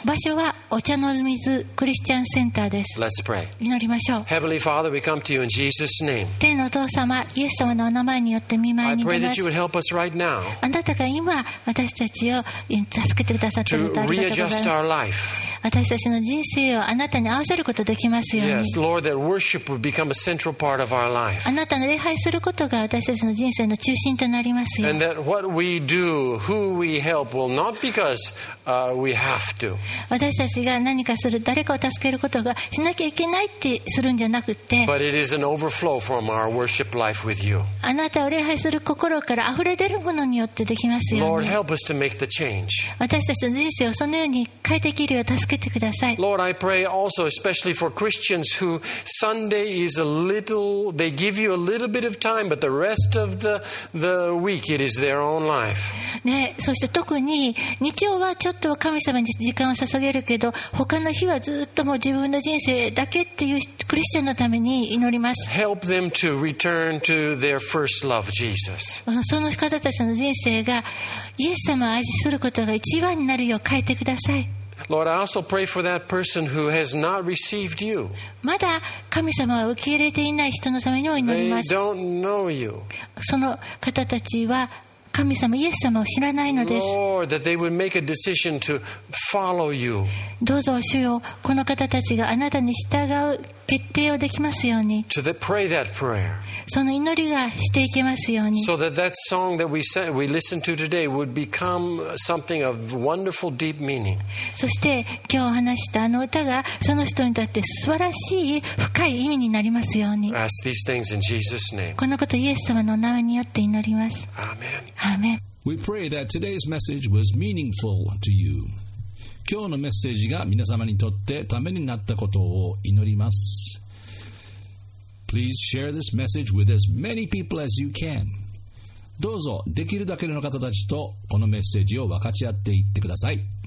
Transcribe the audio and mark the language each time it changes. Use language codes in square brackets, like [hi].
[ja] 場所はお茶の水クリスチャンセンターです。 [en] Let's pray. [ja] 祈りましょう。 [en] Heavenly Father, we come to you in Jesus' name. [ja] 天のお父様、イエス様のお名前によって御前に出ます。 [en] I pray that you would help us right now. [ja] あなたが今私たちを助けてくださっていることありがとうございます。 [en] To readjust our life. [ja] 私たちの人生をあなたに合わせることができますように。 [en] Yes, Lord, that worship would become a central part of our life. [ja] あなたの礼拝することが私たちの人生の中心となりますよ。 [en] And that what we do, who we help, will not because, we have to. [ja] 私たちが何かする、誰かを助けることがしなきゃいけないってするんじゃなくて、 [en] But it is an overflow from our worship life with you. [ja] あなたを礼拝する心から溢れ出るものによってできますように。 [en] Lord, help us to make the change. [ja] 私たちの人生をそのように変えていけるよう助けてください。 [en] Lord, I pray also especially for Christians who Sunday is a little, they give you a little bit of time, but the rest of the week it is their own life. [ja] ね、そして特に日曜はちょっと神様に時間を捧げるけど、他の日はずっともう自分の人生だけっていうクリスチャンのために祈ります。 [en] Help them to return to their first love, Jesus. [ja] その方たちの人生がイエス様を愛することが一番になるよう変えてください。 [en] Lord, I also pray for that person who has not received you. [ja] まだ神様を受け入れていない人のためにも祈ります。 [en] They don't know you. [ja] その方たちは神様イエス様を知らないのです。 [en] Lord, that they would make a decision to follow you. [ja] どうぞ主よ、この方たちがあなたに従う決定をできますように。 [en] To the, pray that prayer. [ja] その祈りがしていけますように。 [en] So that that song that we listened to today would become something of wonderful deep meaning. [ja] そして今日話したあの歌がその人にとって素晴らしい深い意味になりますように。 [en] Ask these things in Jesus' name. [ja] このことイエス様の名前によって祈ります。 [en] Amen. Amen. We pray that today's message was meaningful to you. [ja] 今日のメッセージが皆様にとってためになったことを祈ります。 [en] Please share this message with as many people as you can. [ja] どうぞできるだけの方たちとこのメッセージを分かち合っていってください。